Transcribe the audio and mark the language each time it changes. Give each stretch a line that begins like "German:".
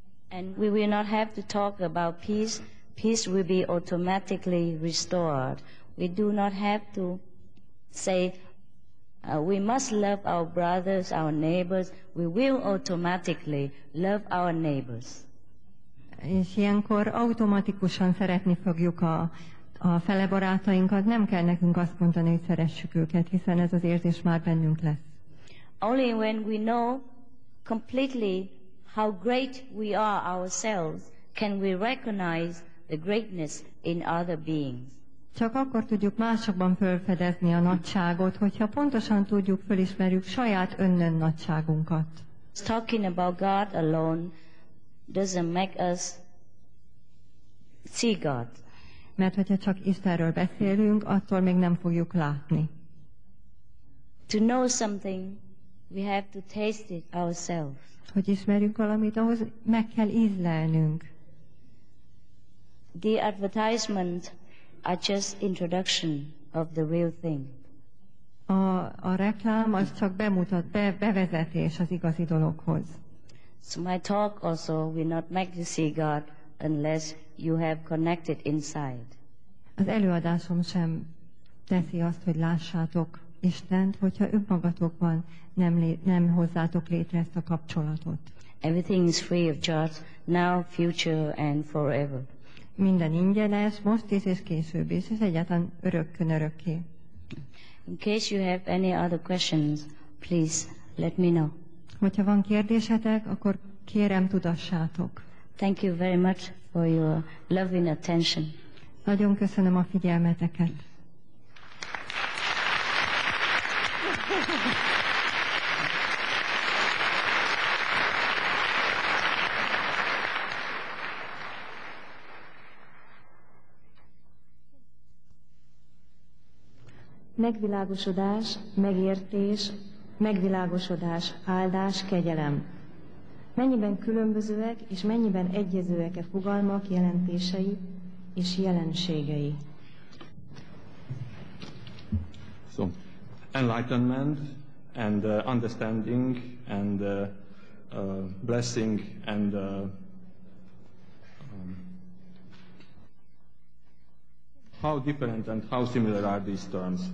English: And we will not have to talk about peace peace will be automatically restored. We do not have to say, we must love our brothers, our neighbors. We will automatically love our neighbors.
Hungarian: És ilyenkor automatikusan szeretni fogjuk a fele barátainkat. Nem kell nekünk azt mondani, hogy szeressük őket, hiszen ez az érzés már bennünk lesz.
English: Only when we know completely how great we are ourselves can we recognize the greatness in other beings.
Hungarian: Csak akkor tudjuk másokban felfedezni a nagyságot, hogyha pontosan tudjuk, fölismerjük saját önnön nagyságunkat.
English: Talking about God alone doesn't make us see God.
Hungarian: Mert hogyha csak Istenről beszélünk, attól még nem fogjuk látni.
English: To know something, we have to taste it ourselves.
Hungarian: Hogy ismerjünk valamit, ahhoz meg kell ízlelnünk.
English: The advertisement are just introduction of the real thing.
Hungarian: A reklám az csak bevezetés az igazi dologhoz.
English: So my talk also will not make you see God unless you have connected inside.
Hungarian: Az előadásom sem teszi azt, hogy lássátok Istent, hogyha önmagatokban nem hozzátok létre ezt a kapcsolatot.
English: Everything is free of charge, now, future and forever.
Hungarian: Minden ingyenes, most is és később is, és egyáltalán örökkön örökké.
English: In case you have any other questions, please let me know.
Hungarian: Hogyha van kérdésetek, akkor kérem, tudassátok.
English: Thank you very much for your loving attention.
Hungarian: Nagyon köszönöm a figyelmeteket. Megvilágosodás, megértés, megvilágosodás, áldás, kegyelem. Mennyiben különbözőek és mennyiben egyezőek-e fogalmak, jelentései és jelenségei?
English: So, enlightenment and understanding and blessing and how different and how similar are these terms?